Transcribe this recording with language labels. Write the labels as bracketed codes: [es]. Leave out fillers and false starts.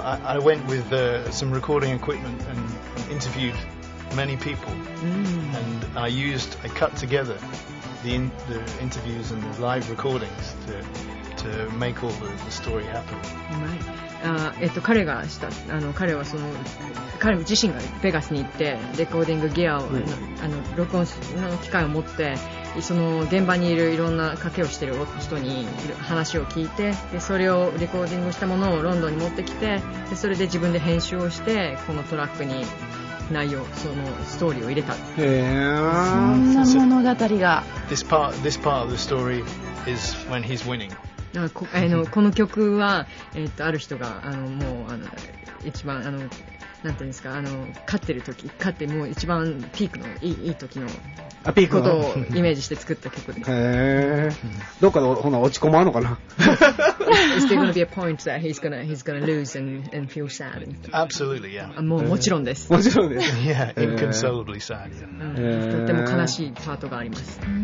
[en] So I went with some recording equipment and interviewed many people、and I cut together. The interviews and the live recordings to make all the story happen. Right. [ja] 彼がした彼はその彼自身がベガスに行ってレコーディングギアを、録音の機械を持ってその現場にいるいろんな賭けをしている人に話を聞いてでそれをレコーディングしたものをロンドンに持ってきてでそれで自分で編集をしてこのトラックに。内容そのストーリーを入れた。へえ。そんな物語が。 [en] This part of the story is when he's winning. [ja] この曲は、ある人がもう一番なんていうんですか勝ってる時勝ってもう一番ピークのいい時のピークことをイメージして作った曲で。へえ。どっかでほな落ち込まんのかな。 [en] Is there going to be a point that he's gonna lose and feel sad? Absolutely, yeah. [ja] もちろんです。もちろんです。 [en] Yeah, inconsolably sad. [ja] とても悲しいパートがあります。